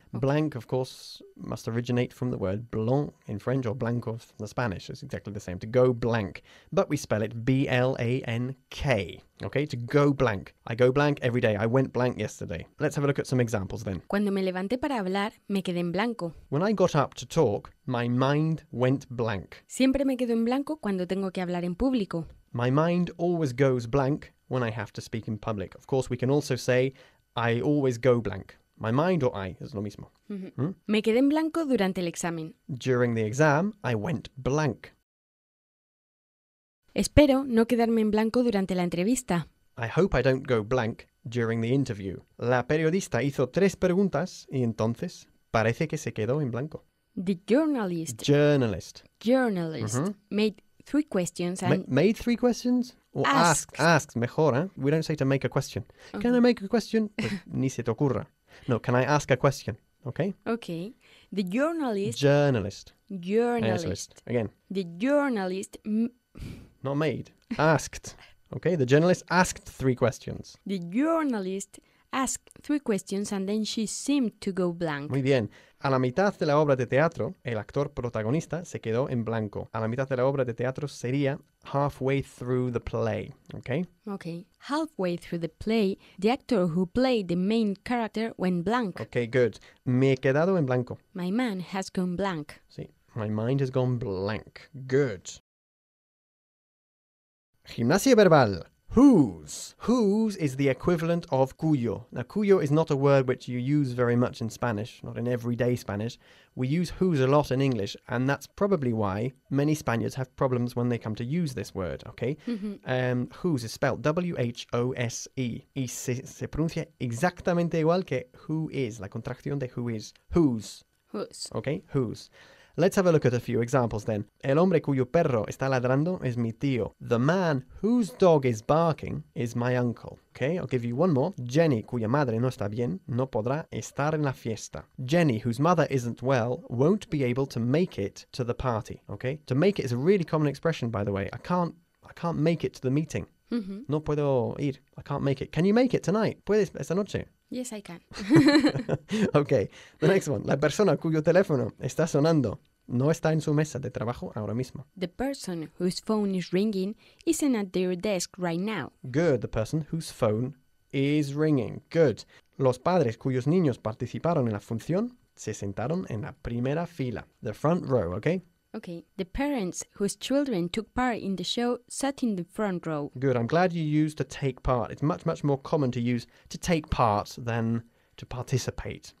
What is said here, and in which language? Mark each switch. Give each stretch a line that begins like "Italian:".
English: Blank, of course, must originate from the word blanc in French or blanco from the Spanish. It's exactly the same. To go blank. But we spell it B-L-A-N-K. Okay? To go blank. I go blank every day. I went blank yesterday. Let's have a look at some examples then.
Spanish: Cuando me levanté para hablar, me quedé en blanco.
English: When I got up to talk, my mind went blank.
Spanish: Siempre me quedo en blanco cuando tengo que hablar en público.
English: My mind always goes blank when I have to speak in public. Of course, we can also say, I always go blank. My mind or I,
Spanish: es lo mismo. Mm-hmm. Hmm? Me quedé en blanco durante el examen.
English: During the exam, I went blank.
Spanish: Espero no quedarme en blanco durante la entrevista.
English: I hope I don't go blank during the interview.
Spanish: La periodista hizo tres preguntas y entonces parece que se quedó en blanco.
English: The journalist. Journalist. Journalist. Mm-hmm. Made three questions and... Made three questions? Or asked. Asked,
Spanish: mejor, ¿eh?
English: We don't say to make a question. Okay. Can I make a question?
Spanish: Pues, ni se te ocurra.
English: No, can I ask a question? Okay. Okay. The journalist. Journalist. Journalist. Again. The journalist. Not made. Asked. Okay. The journalist asked three questions. The journalist asked three questions and then she seemed to go blank.
Spanish: Muy bien. A la mitad de la obra de teatro, el actor protagonista se quedó en blanco. A la mitad de la obra de teatro sería
English: halfway through the play, okay? Okay. Halfway through the play, the actor who played the main character went blank. Okay, good.
Spanish: Me he quedado en blanco.
English: My man has gone blank. Sí. My mind has gone blank. Good.
Spanish: Gimnasia verbal.
English: Whose? Whose is the equivalent of cuyo. Now, cuyo is not a word which you use very much in Spanish, not in everyday Spanish. We use whose a lot in English, and that's probably why many Spaniards have problems when they come to use this word, okay? Whose is spelled W-H-O-S-E.
Spanish: Y se pronuncia exactamente igual que who is, la contracción de who is. Whose.
English: Whose. Okay, whose. Let's have a look at a few examples then.
Spanish: El hombre cuyo perro está ladrando es mi tío.
English: The man whose dog is barking is my uncle. Okay, I'll give you one more.
Spanish: Jenny, cuya madre no está bien, no podrá estar en la fiesta.
English: Jenny, whose mother isn't well, won't be able to make it to the party. Okay, to make it is a really common expression, by the way. I can't make it to the meeting. Mm-hmm.
Spanish: No puedo ir.
English: I can't make it. Can you make it tonight?
Spanish: ¿Puedes esta noche?
English: Yes, I can. Okay, the next one.
Spanish: La persona cuyo teléfono está sonando no está en su mesa de trabajo ahora mismo.
English: The person whose phone is ringing isn't at their desk right now. Good, the person whose phone is ringing. Good.
Spanish: Los padres cuyos niños participaron en la función se sentaron en la primera fila.
English: The front row, okay? Okay, the parents whose children took part in the show sat in the front row. Good, I'm glad you used to take part. It's much, much more common to use to take part than to participate.